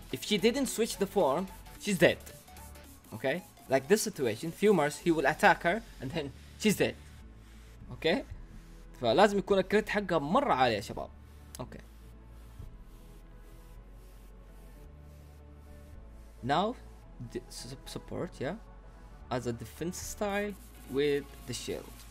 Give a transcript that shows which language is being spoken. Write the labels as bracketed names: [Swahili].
[English] If she didn't switch the form, she's dead. Okay? Like this situation, Fumers, he will attack her and then she's dead. Okay? [Arabic] فلازم يكون الكريت حقها مرة عالية يا شباب. [English] Okay. Now support, yeah, as a defense style with the shield.